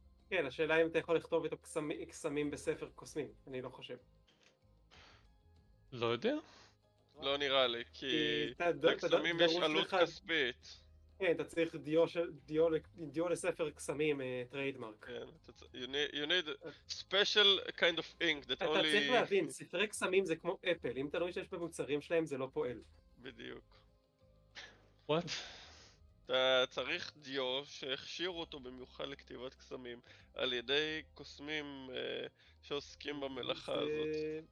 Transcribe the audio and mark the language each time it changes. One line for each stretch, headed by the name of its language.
Hebrew: כן, השאלה אם אתה יכול לכתוב איתו קסמים בספר קוסמים, אני לא חושב. לא יודע. לא נראה לי, כי הקסמים יש עלות כספית. כן, אתה צריך דיו לספר קסמים, טריידמרק. כן,
English: you need special kind of ink that only...
Hebrew: אתה צריך להבין, ספרי קסמים זה כמו אפל, אם אתה לא משתמש במוצרים שלהם זה לא פועל. בדיוק.
English: What?
Hebrew: אתה צריך דיו שהכשיר אותו במיוחד לכתיבת קסמים על ידי קוסמים שעוסקים במלאכה הזאת.